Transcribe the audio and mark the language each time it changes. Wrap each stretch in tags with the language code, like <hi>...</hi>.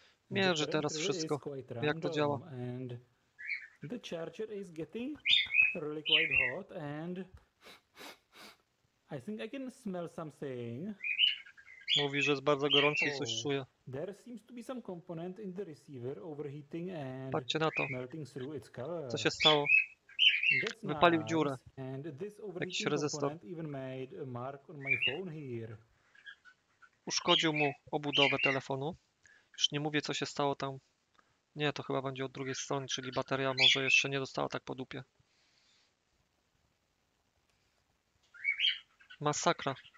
<pl>Mierzy teraz wszystko, jak to działa.</pl> <en>The charger is getting really quite hot and I think I can smell something.</en> <pl>Mówi, że jest bardzo gorący i coś czuje.</pl> <en>There seems to be some component in the receiver overheating and</en> <pl>patrzcie na to.</pl> <en>Melting through its cover.</en> <pl>Co się stało? Wypalił</pl> <en>nice.</en> <pl>Dziurę.</pl> <en>And this overheating component even made a mark on my phone here.</en> <pl>Uszkodził mu obudowę telefonu. Już nie mówię, co się stało tam. Nie, to chyba będzie od drugiej strony, czyli bateria może jeszcze nie dostała tak po dupie. Masakra.</pl>